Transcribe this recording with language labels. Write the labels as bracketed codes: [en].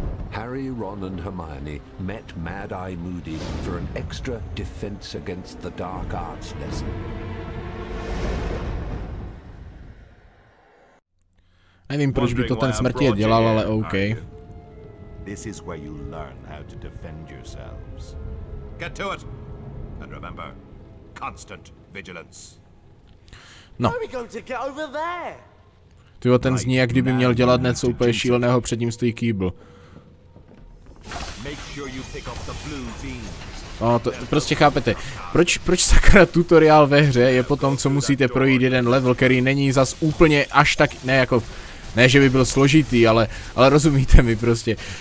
[en] Harry, Ron and Hermione met Mad-Eye Moody for an extra defense against the dark arts lesson. [cs] Nevím, proč by to ten smrti je dělal, ale OK. [en] This is where you learn how to defend yourselves. Get to it. And remember, constant vigilance. No. How are we going to get over there? [cs] Ty jo, ten zní, jak kdyby měl dělat něco úplně šíleného, před ním stojí Kýbl. No, to prostě chápete. Proč sakra tutoriál ve hře je po tom, co musíte projít jeden level, který není zas úplně až tak, ne jako, ne že by byl složitý, ale rozumíte mi prostě.